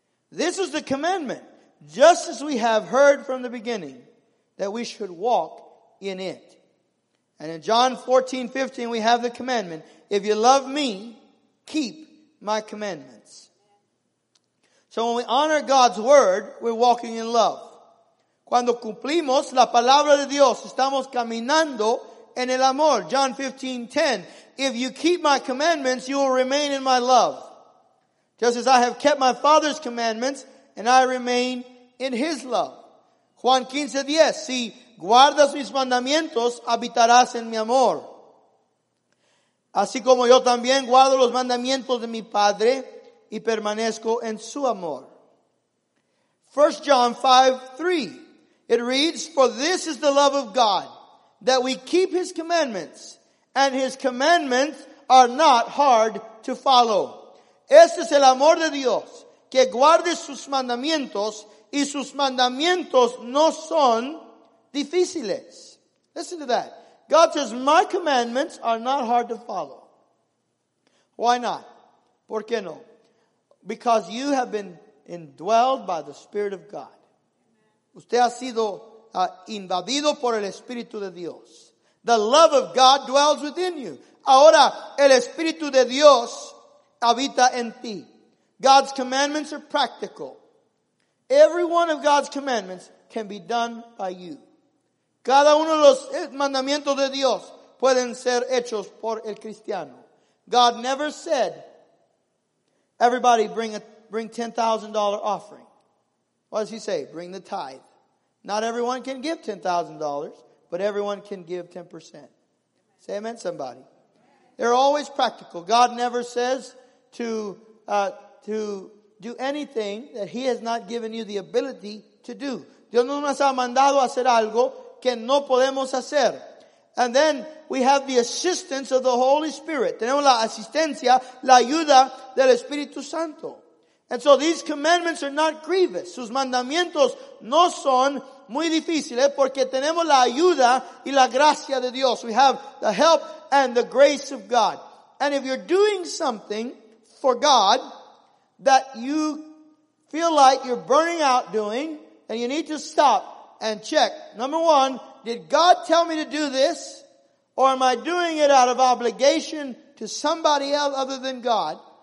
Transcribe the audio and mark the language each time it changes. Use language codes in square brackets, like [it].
[en] This is the commandment, just as we have heard from the beginning, that we should walk in it. And in John 14, 15, we have the commandment, if you love me, keep my commandments. So when we honor God's word, we're walking in love. [es] Cuando cumplimos la palabra de Dios, estamos caminando en el amor. [en] John 15, 10. If you keep my commandments, you will remain in my love. Just as I have kept my Father's commandments, and I remain in his love. [es] Juan 15, 10. Si guardas mis mandamientos, habitarás en mi amor. Así como yo también guardo los mandamientos de mi Padre y permanezco en su amor. [en] 1 John 5, 3. It reads, for this is the love of God, that we keep his commandments, and his commandments are not hard to follow. [es] Este es el amor de Dios, que guarde sus mandamientos, y sus mandamientos no son difíciles. [en] Listen to that. God says, my commandments are not hard to follow. Why not? [es] ¿Por qué no? [en] Because you have been indwelled by the Spirit of God. [es] Usted ha sido invadido por el Espíritu de Dios. [en] The love of God dwells within you. [es] Ahora, el Espíritu de Dios habita en ti. [en] God's commandments are practical. Every one of God's commandments can be done by you. [es] Cada uno de los mandamientos de Dios pueden ser hechos por el cristiano. [en] God never said, everybody bring $10,000 offering. What does he say? Bring the tithe. Not everyone can give $10,000, but everyone can give 10%. Say amen, somebody. They're always practical. God never says to do anything that he has not given you the ability to do. [es] Dios no nos ha mandado a hacer algo que no podemos hacer. [en] And then we have the assistance of the Holy Spirit. [es] Tenemos la asistencia, la ayuda del Espíritu Santo. [en] And so these commandments are not grievous. [es] Sus mandamientos no son muy difíciles porque tenemos la ayuda y la gracia de Dios. [en] We have the help and the grace of God. And if you're doing something for God that you feel like you're burning out doing, then you need to stop and check. Number one, did God tell me to do this? Or am I doing it out of obligation to somebody else other than God?